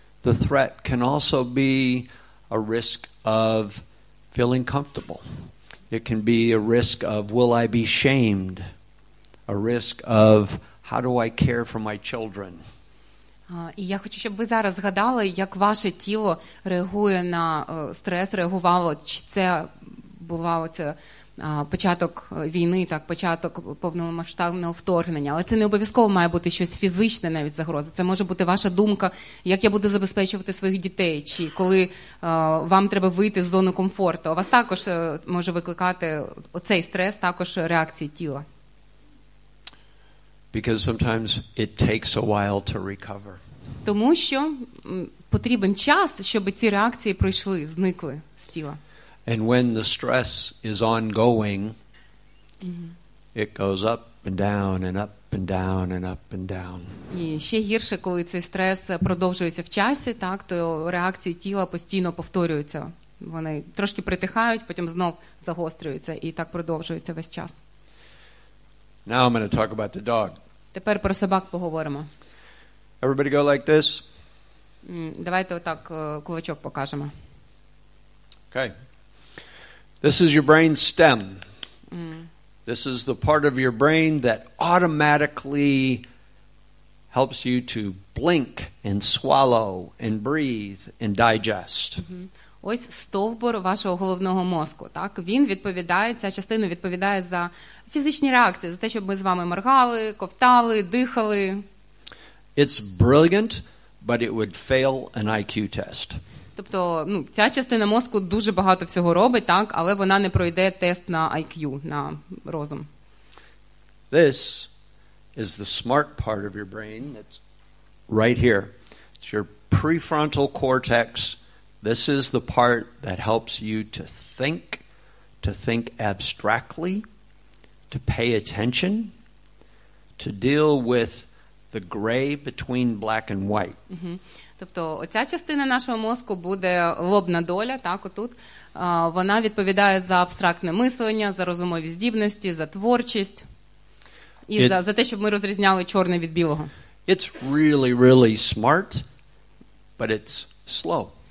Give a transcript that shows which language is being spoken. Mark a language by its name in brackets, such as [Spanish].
[English] the threat can also be a risk of feeling comfortable. It can be a risk of, will I be shamed? A risk of, how do I care for my children? [Ukrainian] І я хочу, щоб ви зараз згадали, як ваше тіло реагує на стрес, реагувало, чи це була оця початок війни, так, початок повномасштабного вторгнення. Але це не обов'язково має бути щось фізичне, навіть загроза. Це може бути ваша думка, як я буду забезпечувати своїх дітей, чи коли вам треба вийти з зони комфорту. У вас також може викликати оцей стрес, також реакції тіла. [English] Because sometimes it takes a while to recover. [Ukrainian] Тому що потрібен час, щоб ці реакції пройшли, зникли з тіла. [English] And when the stress is ongoing, it goes up and down and up and down and up and down. [Ukrainian] І ще гірше, коли цей стрес продовжується в часі, так, то реакції тіла постійно повторюються. Вони трошки притихають, потім знов загострюються і так продовжується весь час. [English] Now I'm going to talk about the dog. [Ukrainian] Тепер про собак поговоримо. [English] Everybody go like this. [Ukrainian] Давайте отак кулачок покажемо. [English] Okay. This is your brain stem. This is the part of your brain that automatically helps you to blink and swallow and breathe and digest. [Ukrainian] Ось стовбур вашого головного мозку, так? Він відповідає, ця частина відповідає за фізичні реакції, за те, щоб ми з вами моргали, ковтали, дихали. [English] It's brilliant, but it would fail an IQ test. [Ukrainian] Тобто, ну, ця частина мозку дуже багато всього робить, так, але вона не пройде тест на IQ, на розум. [English] This is the smart part of your brain that's right here. It's your prefrontal cortex. This is the part that helps you to think abstractly, to pay attention, to deal with the gray between black and white. [Ukrainian] Тобто оця частина нашого мозку буде лобна доля, так, отут. Вона відповідає за абстрактне мислення, за розумові здібності, за творчість і за те, щоб ми розрізняли чорне від білого. [English] It's really, really smart, but it's slow.